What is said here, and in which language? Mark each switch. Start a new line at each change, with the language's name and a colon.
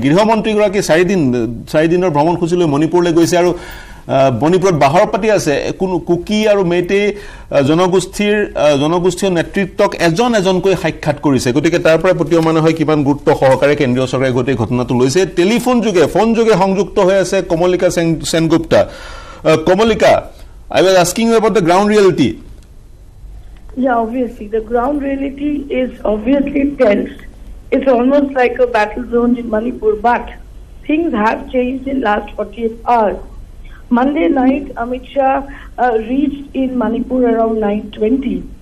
Assamese: গৃহমন্ত্ৰীগৰাকী চাৰিদিনৰ ভ্ৰমণসূচীলৈ মণিপুৰলৈ গৈছে আৰু মণিপুৰত বাহৰ পাতি আছে, কোনো কুকি আৰু মেইটে জনগোষ্ঠীয় নেতৃত্বক এজন এজনকৈ সাক্ষাৎ কৰিছে, গতিকে তাৰ পৰা প্ৰতীয়মান হয় কিমান গুৰুত্ব সহকাৰে কেন্দ্ৰীয় চৰকাৰে গোটেই ঘটনাটো লৈছে। ফোনযোগে সংযুক্ত হৈ আছে কমলিকা সেনগুপ্তা।
English: Kamalika, I was asking you about the ground reality. Yeah, obviously, the ground reality is obviously tense. It's almost like a battle zone in Manipur, but things have changed in last 48 hours. Monday night, Amit Shah reached in Manipur around 9:20.